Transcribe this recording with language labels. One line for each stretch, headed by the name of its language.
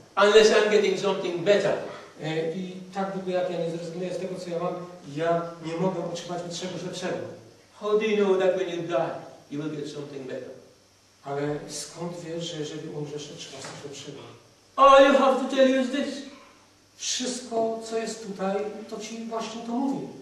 English: Unless I'm getting something better.
Polish: I tak długo, jak ja nie zrozumiem z tego, co ja mam, ja nie mogę otrzymać czegoś lepszego.
English: How do you know that when you die, you will get something better?
Polish: Ale skąd wiesz, że jeżeli umrzesz, otrzymasz coś lepszego?
English: All you have to tell you is this.
Polish: Wszystko, co jest tutaj, to ci właśnie to mówi.